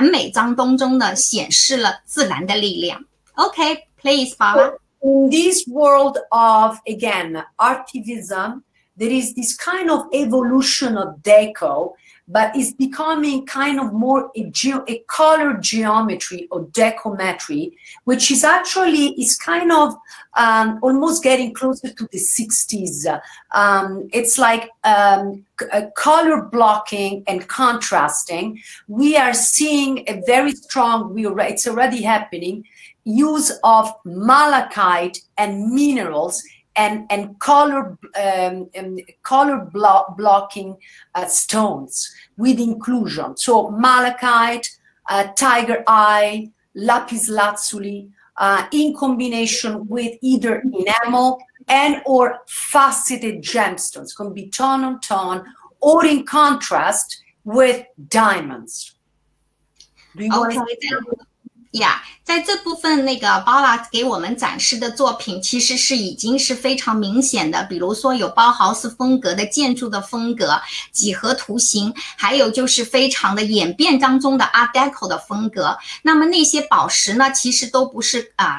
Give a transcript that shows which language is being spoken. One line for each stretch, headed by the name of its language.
Chinese: 所以那个巴拉说到产品的那个形态里面，大家可以看到，他说有一种就是来自印度的古老的工艺，就是那个薄片的钻石。然后呢，我们看到珍珠也是这一部分的主要的那个元素。还有就是在产品的表面的肌理方面，你也可以看到它是有那个裂痕或者有断缺。所以这一切都表示不完美当中呢，显示了自然的力量。
English: OK, please, Paola. In this world of, again, artivism, there is this kind of evolution of deco, but it's becoming kind of more a color geometry or decometry, which is actually, is kind of almost getting closer to the 60s. It's like color blocking and contrasting. We are seeing a very strong, it's already happening, use of malachite and minerals and color blocking stones with inclusion. So malachite, tiger eye, lapis lazuli, in combination with either enamel and or faceted gemstones, can be tone on tone or in contrast with diamonds. Do you want to say?
Chinese: Yeah, 在这部分那个Paola给我们展示的作品其实是已经是非常明显的，比如说有包豪斯风格的建筑的风格、几何图形，还有就是非常的演变当中的 Art Deco 的风格。那么那些宝石呢，其实都不是